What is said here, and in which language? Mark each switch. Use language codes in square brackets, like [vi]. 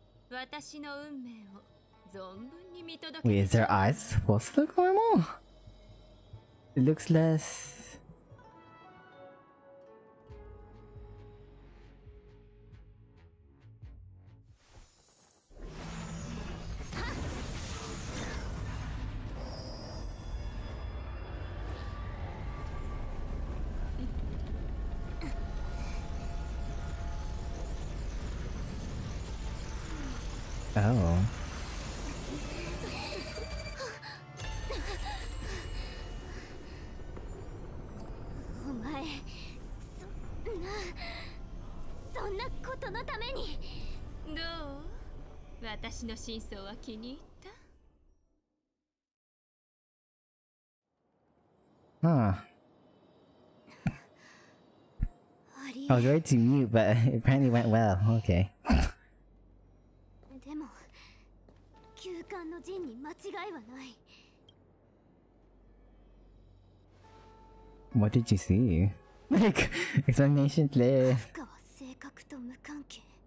[ja] 私の運命を存分に見届け。 [en] Wait, is their eyes supposed to look normal? It looks less. Oh. [ja] お前、そんなことのためにどう？私の真相は気に入った？ Huh. [en] I was ready to mute, but it apparently went well. Okay. [ja] でも旧館の陣に間違いはない。 [en] What did you see? Like, explanation please. [ja] カフカは性格と無関係。